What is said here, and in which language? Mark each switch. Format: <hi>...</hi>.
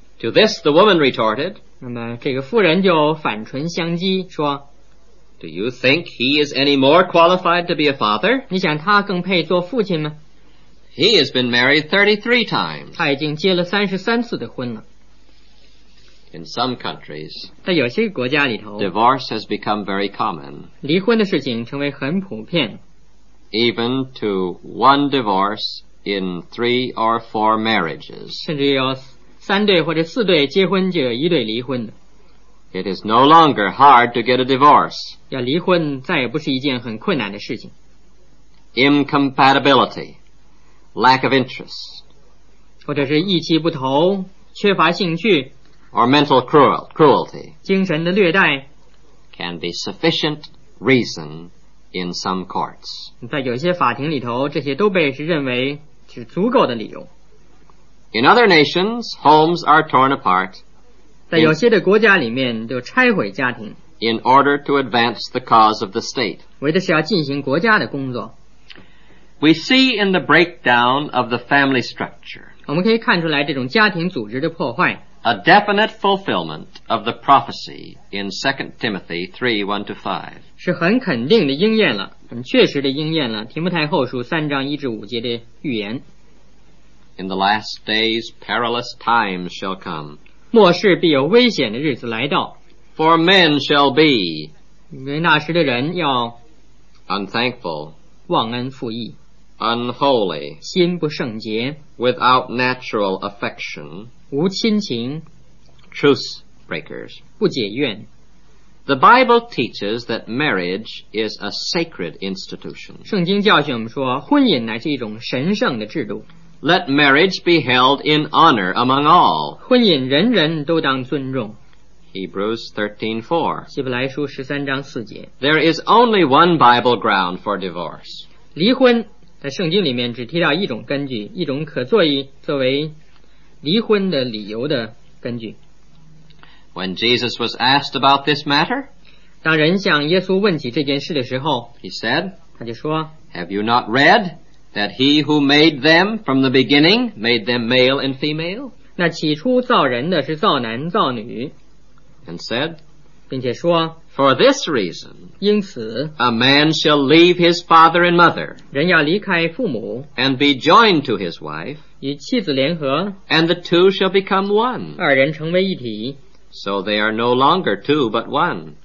<en>To this, the woman retorted.</en> <zh>那么这个妇人就反唇相讥说，</zh> <en>Do you think he is any more qualified to be a father?</en> <zh>你想他更配做父亲吗？</zh> <en>He has been married 33 times.</en> <zh>他已经结了33次的婚了。</zh> <en>In some countries,</en> <zh>在有些国家里头，</zh> <en>divorce has become very common.</en> <zh>离婚的事情成为很普遍。</zh> <en>Even to one divorce in three or four marriages.</en> <zh>甚至有三对或者四对结婚就有一对离婚的。</zh> <en>It is no longer hard to get a divorce.</en> <zh>要离婚再也不是一件很困难的事情。</zh> <en>Incompatibility, lack of interest.</en> <zh>或者是意气不投，缺乏兴趣。</zh> <en>Or mental cruelty.</en> <zh>精神的虐待。</zh> <en>Can be sufficient reason in some courts.</en> <zh>在有些法庭里头，这些都被认为是足够的理由。</zh> <en>In other nations, homes are torn apart.</en> <zh>在有些的国家里面就拆毁家庭，</zh> <en>in order to advance the cause of the state，</en> <zh>为的是要进行国家的工作。</zh> <en>We see in the breakdown of the family structure，</en> <zh>我们可以看出来这种家庭组织的破坏，</zh> <en>a definite fulfillment of the prophecy in 2 Timothy 3:1 to 5，</en> <zh>是很肯定的应验了，很确实的应验了提摩太后书3:1-5的预言。</zh> <en>In the last days perilous times shall come，</en> <zh>末世必有危险的日子来到。</zh> <en>For men shall be,</en> <zh>因为那时的人要</zh> <en>unthankful,</en> <zh>忘恩负义，</zh> <en>unholy,</en> <zh>心不圣洁，</zh> <en>without natural affection,</en> <zh>无亲情，</zh> <en>truce breakers,</en> <zh>不解怨。</zh> <en>The Bible teaches that marriage is a sacred institution.</en> <zh>圣经教训我们说，婚姻乃是一种神圣的制度。</zh> <en>Let marriage be held in honor among all.</en> <zh>婚姻人人都当尊重。</zh> <en>Hebrews 13:4.</en> <zh>希伯来书13:4.</zh> <en>There is only one Bible ground for divorce.</en> <zh>离婚在圣经里面只提到一种根据，一种可作为离婚的理由的根据。</zh> <en>When Jesus was asked about this matter,</en> <zh>当人向耶稣问起这件事的时候，</zh> <en>He said,</en> <zh>他就说，</zh> <en>Have you not read? That he who made them from the beginning made them male and female.</en> <zh>那起初造人的是造男造女。</zh> <en>And said,</en> <zh>并且说</zh> <en>For this reason,</en> <zh>因此</zh> <en>a man shall leave his father and mother,</en> <zh>人要离开父母</zh> <en>and be joined to his wife,</en> <zh>与妻子联合</zh> <en>and the two shall become one,</en> <zh>二人成为一体</zh> <en>so they are no longer two but one.</en>